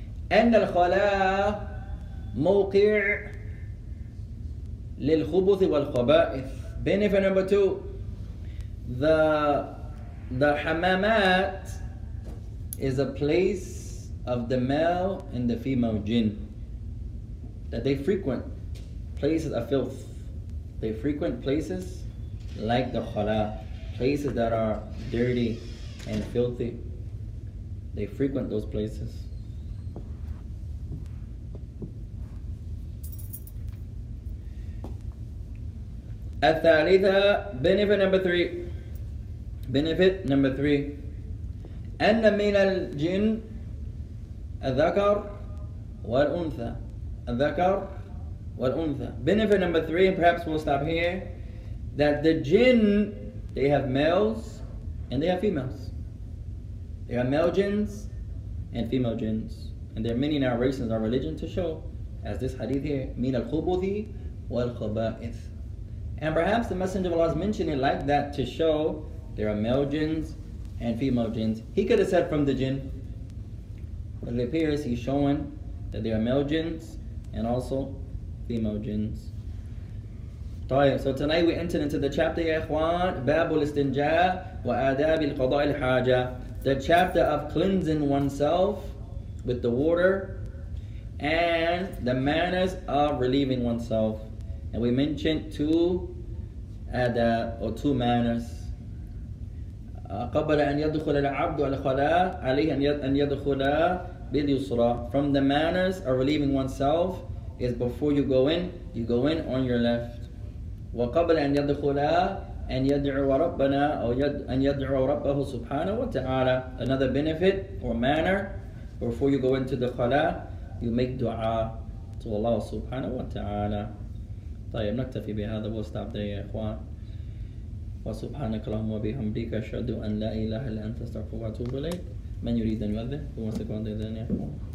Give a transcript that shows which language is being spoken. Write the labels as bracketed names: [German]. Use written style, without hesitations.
[Arabic] أَنَّ الْخَلَاءَ مَوْقِعُ للخبث والخبائث. [English] Benefit number two, the hamamat is a place of the male and the female jinn. That they frequent places of filth. They frequent places like the khala, places that are dirty and filthy. They frequent those places. [Arabic] الثالثة [English] benefit number three. Benefit number three. [Arabic] أن من الجن الذكر والأنثى. الذكر والأنثى. [English] Benefit number three, and perhaps we'll stop here, that the jinn, they have males and they have females. They have male jinns and female jinns. And there are many in our races, our religion, to show, as this hadith here, [Arabic] مِنَ الْخُبُثِ وَالْخَبَائِثِ. [English] And perhaps the Messenger of Allah is mentioning like that to show there are male jinns and female jinns. He could have said from the jinn, but it appears he's showing that there are male jinns and also female jinns. So tonight we enter into the chapter, Ya Ikhwan, [Arabic] Babul Istinja wa Adab al Qada al Haja, [English] the chapter of cleansing oneself with the water and the manners of relieving oneself. And we mentioned two adab or two manners. [Arabic] قبل أن يدخل العبد الخلاء عليه أن يدخل باليسرى. [English] From the manners of relieving oneself is before you go in on your left. [Arabic] وقبل أن يدخل أن يدعو ربنا أو أن يدعو ربه سبحانه وتعالى. [English] Another benefit or manner before you go into the khala, you make dua to Allah [Arabic] سبحانه وتعالى. طيب نكتفي بهذا. [English] We'll stop there, [Arabic] يا إخوان. وسبحانك اللهم وبحمدك أشهد أن لا إله إلا أنت أستغفرك وأتوب إليك. من يريد أن يؤذن؟ [English] Who wants to go on the other, [Arabic] يا إخوان؟